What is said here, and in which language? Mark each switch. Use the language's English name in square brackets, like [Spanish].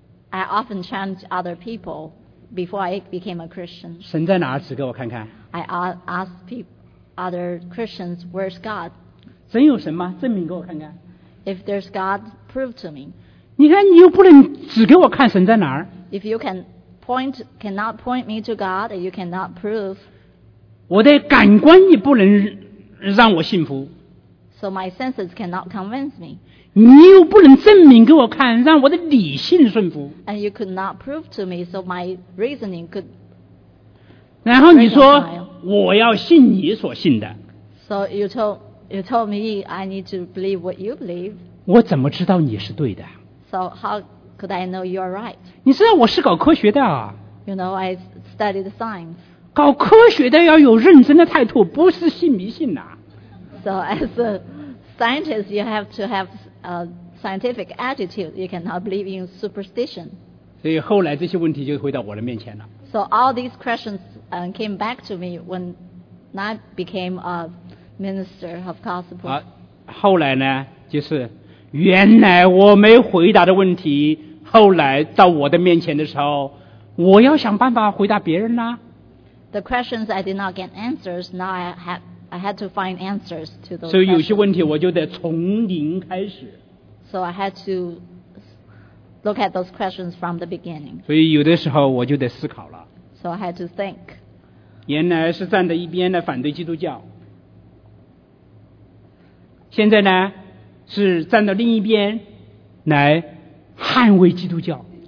[English] I often challenge other people. Before I became a Christian, [Chinese] 神在哪儿？指给我看看。 [English] I asked other Christians, "Where's God?" [Chinese] 真有神吗？证明给我看看。 [English] If there's God, prove to me. [Chinese] 你看，你又不能指给我看神在哪儿。 [English] If you cannot point me to God, you cannot prove. [Chinese] 我的感官也不能让我信服。 [English] So my senses cannot convince me. [Chinese] 你又不能证明给我看，让我的理性顺服。 [English] And you could not prove to me, so my reasoning could. [Chinese] 然后你说我要信你所信的。 [English] So you told me I need to believe what you believe. [Chinese] 我怎么知道你是对的？ [English] So how could I know you're right? [Chinese] 你知道我是搞科学的啊。 [English] You know I studied science. [Chinese] 搞科学的要有认真的态度，不是信迷信呐。 [English] So as a scientist, you have to have a scientific attitude. You cannot believe in superstition. [Chinese] 所以后来这些问题就回到我的面前了。 [English] So all these questions came back to me when I became a minister of gospel. [Chinese] 后来呢，就是原来我没回答的问题，后来到我的面前的时候，我要想办法回答别人啦。 [English] The questions I did not get answers, now I had to find answers to those. [Chinese] 所以有些问题我就得从零开始。 [English] So I had to look at those questions from the beginning. [Chinese] 所以有的时候我就得思考了。 [English] So I had to think. [Chinese] 原来是站在一边的反对基督教。现在呢，是站到另一边来捍卫基督教。